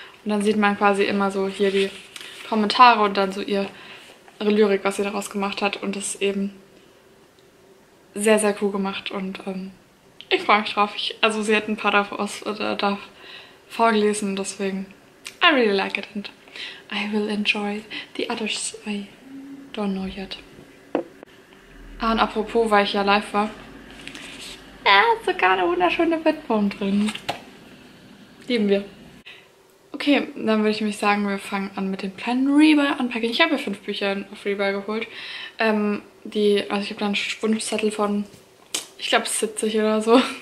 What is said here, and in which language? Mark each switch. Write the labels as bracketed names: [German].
[German] Und dann sieht man quasi immer so hier die Kommentare und dann so ihre Lyrik, was sie daraus gemacht hat, und das ist eben sehr, sehr cool gemacht und ich freue mich drauf. Also sie hat ein paar davon vorgelesen, deswegen. [English] I really like it and I will enjoy the others I don't know yet. [German] Ah, und apropos, weil ich ja live war. Ja, sogar eine wunderschöne Bettbombe drin. Lieben wir. Okay, dann würde ich mich sagen, wir fangen an mit dem kleinen Rebuy-Unpacking. Ich habe ja 5 Bücher auf Rebuy geholt. Also ich habe da einen Wunschzettel von, ich glaube, 70 oder so.